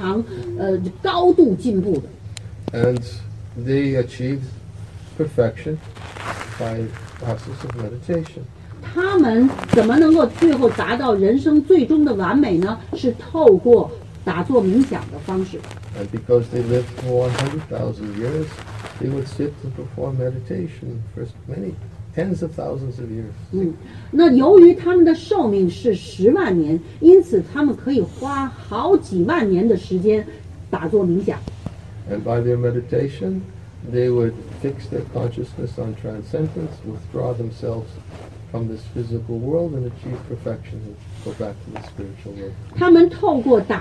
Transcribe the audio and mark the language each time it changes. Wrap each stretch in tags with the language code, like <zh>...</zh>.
<zh>在金器年代里面的人们实际上在灵性上是非常高度进步的</zh> <en>and They achieve perfection by process of meditation.</en> <zh>他们怎么能够最后达到人生最终的完美呢? 是透过打坐冥想的方式。</zh> <en>And because they lived for 100,000 years, they would sit and perform meditation for many tens of thousands of years.</en> <zh>那由于他们的寿命是十万年, 因此他们可以花好几万年的时间打坐冥想。</zh> <en>And by their meditation, they would fix their consciousness on transcendence, withdraw themselves from this physical world and achieve perfection and go back to the spiritual world.</en>